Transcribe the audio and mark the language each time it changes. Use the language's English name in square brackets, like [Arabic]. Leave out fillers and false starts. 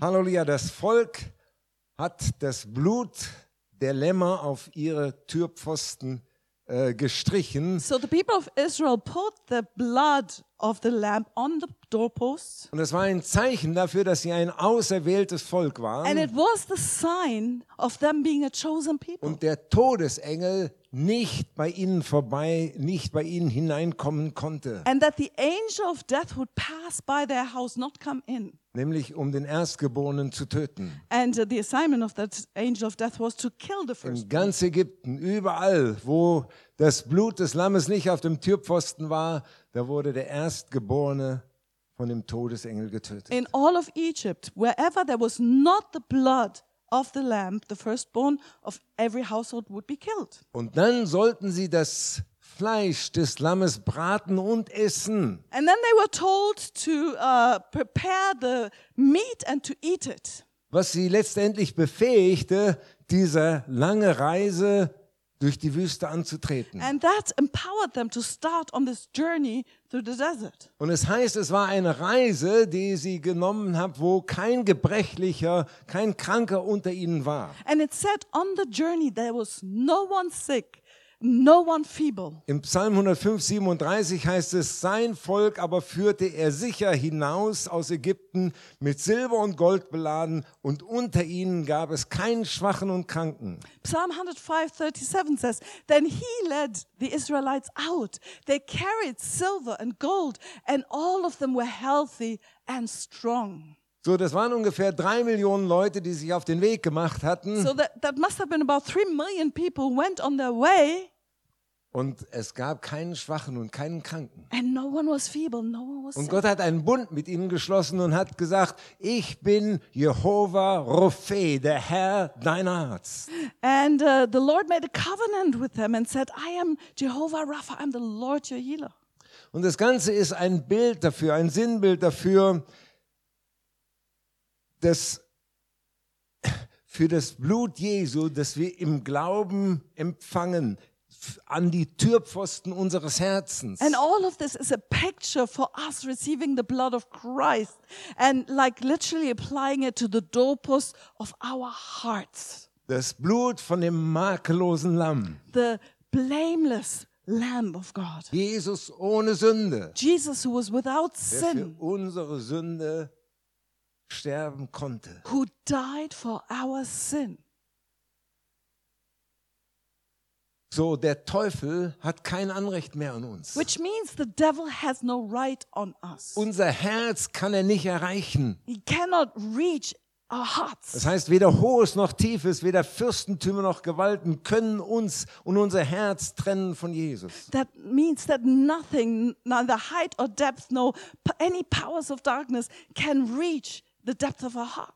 [German] Hallelujah, das Volk hat das Blut der Lämmer auf ihre Türpfosten gestrichen. [English] So the people of Israel put the blood of the lamb on the doorposts. [German] Und es war ein Zeichen dafür, dass sie ein auserwähltes Volk waren. [English] And it was the sign of them being a chosen people. [German] Und der Todesengel nicht bei ihnen vorbei, nicht bei ihnen hineinkommen konnte. [English] And that the angel of death would pass by their house, not come in. [German] Nämlich um den Erstgeborenen zu töten. [English] And the assignment of that angel of death was to kill the firstborn. [German] In ganz Ägypten, überall, wo das Blut des Lammes nicht auf dem Türpfosten war, da wurde der Erstgeborene von dem Todesengel getötet. [English] In all of Egypt, wherever there was not the blood of the lamb, the firstborn of every household would be killed. [German] Und dann sollten sie das Fleisch des Lammes braten und essen. [English] And then they were told to prepare the meat and to eat it. [German] Was sie letztendlich befähigte, diese lange Reise durch die Wüste anzutreten. [English] And that empowered them to start on this journey through the desert. [German] Und es heißt, es war eine Reise, die sie genommen haben, wo kein Gebrechlicher, kein Kranker unter ihnen war. [English] And it said on the journey there was no one sick. No one feeble. [German] Im Psalm 105, 37 heißt es, sein Volk aber führte er sicher hinaus aus Ägypten, mit Silber und Gold beladen, und unter ihnen gab es keinen Schwachen und Kranken. [English] Psalm 105, 37 says, then he led the Israelites out. They carried silver and gold, and all of them were healthy and strong. [German] So, das waren ungefähr 3 Millionen Leute, die sich auf den Weg gemacht hatten. [English] So that must have been about 3 million people went on their way. [German] Und es gab keinen Schwachen und keinen Kranken. [English] And no one was feeble, no one was [German] und Gott hat einen Bund mit ihnen geschlossen und hat gesagt, ich bin Jehovah Rophe, der Herr deiner Arzt. [English] And the Lord made a covenant with them and said, I am Jehovah Rapha, I'm the Lord your healer. [German] Und das Ganze ist ein Bild dafür, ein Sinnbild dafür, dass für das Blut Jesu, das wir im Glauben empfangen, an die Türpfosten unseres Herzens. [English] And all of this is a picture for us receiving the blood of Christ and like literally applying it to the doorpost of our hearts. [German] Das Blut von dem makellosen Lamm. [English] The blameless Lamb of God. [German] Jesus ohne Sünde. [English] Jesus who was without sin. [German] Der für unsere Sünde sterben konnte. [English] Who died for our sin. [German] So, der Teufel hat kein Anrecht mehr an uns. [English] Which means the devil has no right on us. [German] Unser Herz kann er nicht erreichen. [English] He cannot reach our hearts. [German] Das heißt, weder Hohes noch Tiefes, weder Fürstentümer noch Gewalten können uns und unser Herz trennen von Jesus. [English] That means that nothing, neither height or depth, no any powers of darkness can reach the depth of our hearts.